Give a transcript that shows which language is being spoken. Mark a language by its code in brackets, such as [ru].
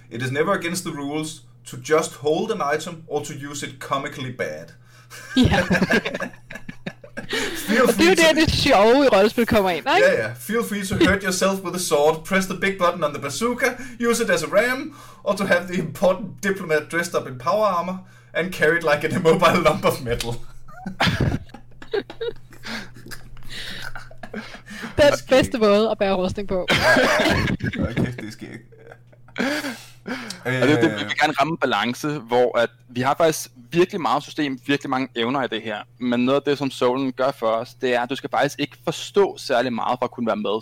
[en] It is never against the rules to just hold an item or to use it comically bad. [da] Det er jo det sjove i rollespil kommer ind, ikke? Ja. [en] Feel free to hurt yourself with a sword, press the big button on the bazooka, use it as a ram, or to have the important diplomat dressed up in power armor and carried like an immobile lump of metal. [da] Den bedste måde at bære rustning på. Okay, det sker ikke. Og det, vi vil gerne ramme balance, hvor at vi har faktisk virkelig meget system, virkelig mange evner i det her. Men noget af det, som Solen gør for os, det er, at du skal faktisk ikke forstå særlig meget for at kunne være med.